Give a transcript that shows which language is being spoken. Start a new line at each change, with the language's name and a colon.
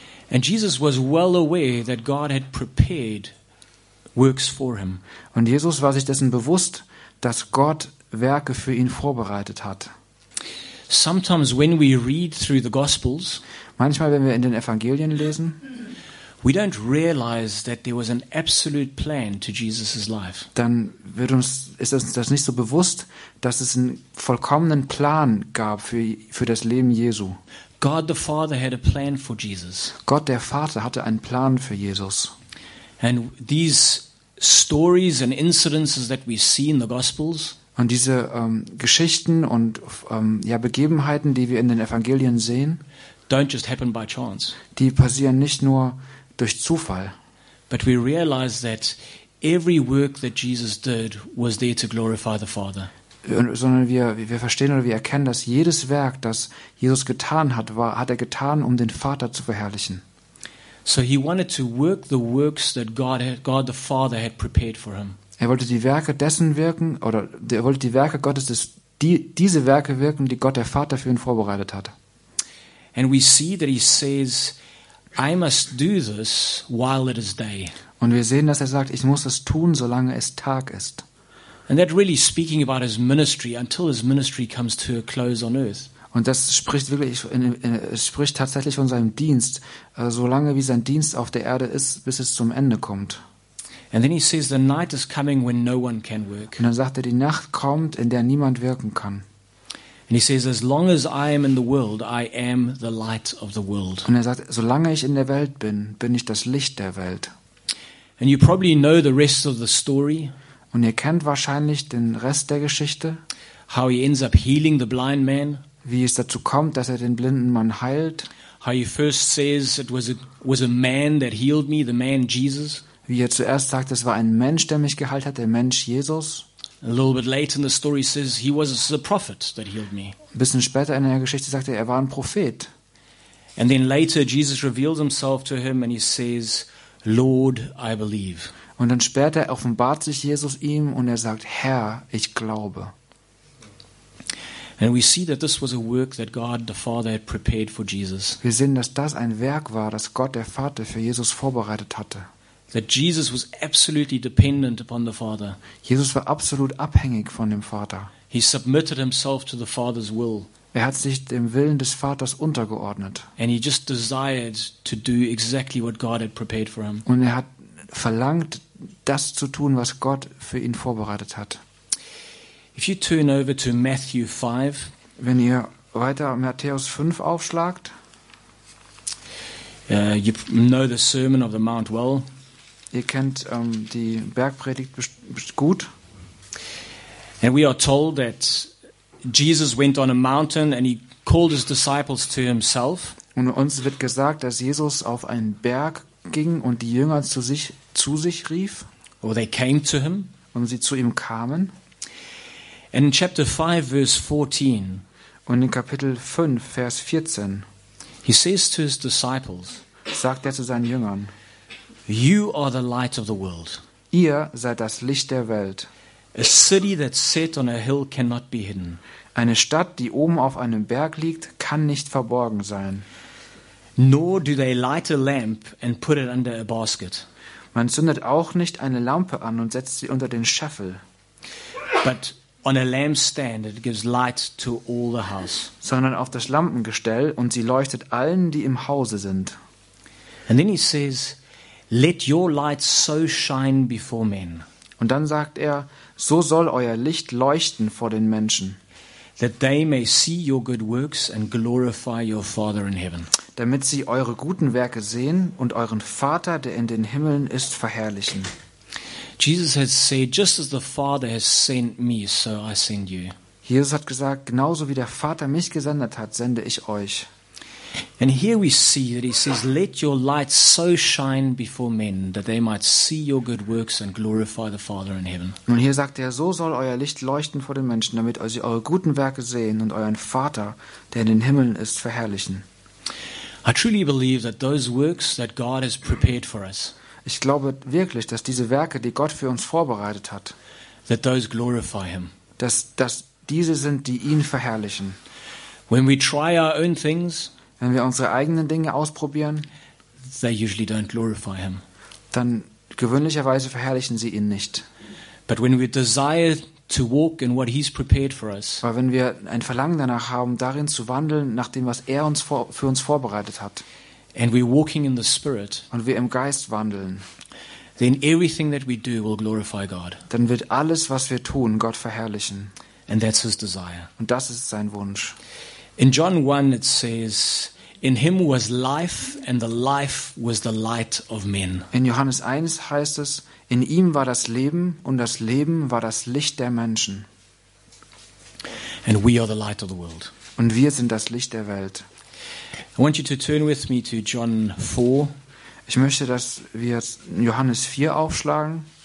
English: And Jesus was well aware that God had prepared works for him.
German: Und Jesus war sich dessen bewusst, dass Gott Werke für ihn vorbereitet hat.
English: Sometimes when we read through the Gospels,
German: manchmal wenn wir in den Evangelien lesen,
English: we don't realize that there was an absolute plan to Jesus's life.
German: Dann ist uns das nicht so bewusst, dass es einen vollkommenen Plan gab für das Leben Jesu.
English: God the Father had a plan for Jesus.
German: Gott der Vater hatte einen Plan für Jesus.
English: And these stories and incidences that we see in the Gospels.
German: Und diese Geschichten und Begebenheiten, die wir in den Evangelien sehen,
English: don't just happen by chance.
German: Die passieren nicht nur durch Zufall.
English: But we realize that every work that Jesus did was there to glorify the Father.
German: Sondern wir verstehen oder wir erkennen, dass jedes Werk, das Jesus getan hat, hat er getan, um den Vater zu verherrlichen.
English: So he wanted to work the works that God the Father had prepared for him.
German: Er wollte die Werke dessen wirken oder er wollte die Werke Gottes diese Werke wirken, die Gott der Vater für ihn vorbereitet hat.
English: And we see that he says, I must do this while it is day.
German: Und wir sehen, dass er sagt, ich muss es tun, solange es Tag ist.
English: And that really speaking about his ministry until his ministry comes to a close on earth.
German: Und das spricht wirklich, es spricht tatsächlich von seinem Dienst, solange wie sein Dienst auf der Erde ist, bis es zum Ende kommt.
English: And then he says, the night is coming when no one can work.
German: Und dann sagt er, die Nacht kommt, in der niemand wirken kann.
English: And he says, as long as I am in the world, I am the light of the world.
German: Und er sagt, solange ich in der Welt bin, bin ich das Licht der Welt.
English: And you probably know the rest of the story.
German: Und ihr kennt wahrscheinlich den Rest der Geschichte.
English: How he ends up healing the blind man.
German: Wie es dazu kommt, dass er den blinden Mann heilt.
English: How he first says it was a man that healed me, the man Jesus.
German: Wie er zuerst sagt, es war ein Mensch, der mich geheilt hat, der Mensch Jesus.
English: A little bit later in the story says he was the prophet that healed me.
German: Ein bisschen später in der Geschichte sagt er war ein Prophet.
English: And then later Jesus reveals himself to him and he says, Lord, I believe.
German: Und dann später offenbart sich Jesus ihm und er sagt, Herr, ich glaube.
English: And we see that this was a work that God the Father had prepared for Jesus.
German: Wir sehen, dass das ein Werk war, das Gott der Vater für Jesus vorbereitet hatte.
English: That Jesus was absolutely dependent upon the Father.
German: Jesus war absolut abhängig von dem Vater.
English: He submitted himself to the Father's will.
German: Er hat sich dem Willen des Vaters untergeordnet.
English: And he just desired to do exactly what God had prepared for him.
German: Und er hat verlangt, das zu tun, was Gott für ihn vorbereitet hat.
English: If you turn over to Matthew 5,
German: wenn ihr weiter Matthäus 5 aufschlagt,
English: you know the Sermon of the Mount well.
German: Ihr kennt die Bergpredigt gut.
English: And we are told that Jesus went on a mountain and he called his disciples to himself.
German: Und uns wird gesagt, dass Jesus auf einen Berg ging und die Jünger zu sich rief.
English: Or they came to him.
German: Und sie zu ihm kamen.
English: And in chapter 5 verse 14
German: und in Kapitel 5 Vers 14
English: he says to his disciples,
German: sagt er zu seinen Jüngern,
English: you are the light of the world.
German: Ihr seid das Licht der Welt.
English: A city that's set on a hill cannot be hidden.
German: Eine Stadt, die oben auf einem Berg liegt, kann kann nicht verborgen sein.
English: Nor do they light a lamp and put it under a basket.
German: Man zündet auch nicht eine Lampe an und setzt sie unter den Scheffel.
English: But on a lampstand it gives light to all the house.
German: Sondern auf das Lampengestell und sie leuchtet allen, die im Hause sind.
English: And then he says, let your light so shine before men.
German: Und dann sagt er, so soll euer Licht leuchten vor den Menschen.
English: That they may see your good works and glorify your Father in heaven.
German: Damit sie eure guten Werke sehen und euren Vater, der in den Himmeln ist, verherrlichen.
English: Jesus has said, just as the Father has sent me, so I send you.
German: Jesus hat gesagt, genauso wie der Vater mich gesendet hat, sende ich euch.
English: And here we see that he says, let your light so shine before men that they might see your good works and glorify the Father in heaven.
German: Nun hier sagt er, so soll euer Licht leuchten vor den Menschen, damit sie eure guten Werke sehen und euren Vater, der in den Himmeln ist, verherrlichen.
English: I truly believe that those works that God has prepared for us.
German: Ich glaube wirklich, dass diese Werke, die Gott für uns vorbereitet hat,
English: that those glorify him.
German: Dass diese sind, die ihn verherrlichen.
English: When we try our own things,
German: wenn wir unsere eigenen Dinge ausprobieren,
English: they usually don't glorify him.
German: Dann gewöhnlicherweise verherrlichen sie ihn nicht.
English: But when we desire to walk in what he's prepared for us,
German: aber wenn wir ein Verlangen danach haben, darin zu wandeln, nach dem, was er uns für uns vorbereitet hat,
English: and we're walking in the Spirit,
German: und wir im Geist wandeln,
English: then everything that we do will glorify God.
German: Dann wird alles, was wir tun, Gott verherrlichen.
English: And that's his desire.
German: Und das ist sein Wunsch.
English: In John 1 it says, in him was life and the life was the light of men.
German: In Johannes 1 heißt es, in ihm war das Leben und das Leben war das Licht der Menschen.
English: And we are the light of the world.
German: Und wir sind das Licht der Welt.
English: I want you to turn with me to John 4.
German: Ich möchte, dass wir Johannes 4 aufschlagen.